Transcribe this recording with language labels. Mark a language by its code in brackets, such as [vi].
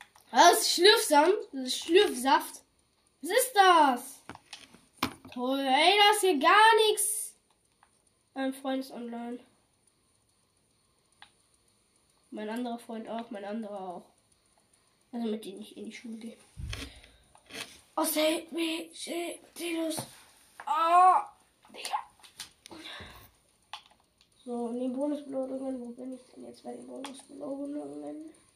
[de] Was? Schlürfsand? Das ist Schlürfsaft? Was ist das? Toll, ey, das ist hier gar nichts. Mein Freund ist online. Mein anderer Freund auch, mein anderer auch. Also mit denen ich in die Schule gehe. [en] Oh, save me, save me, save me. [de] So, in den Bonusbelohnungen, wo bin ich denn jetzt bei den Bonusbelohnungen?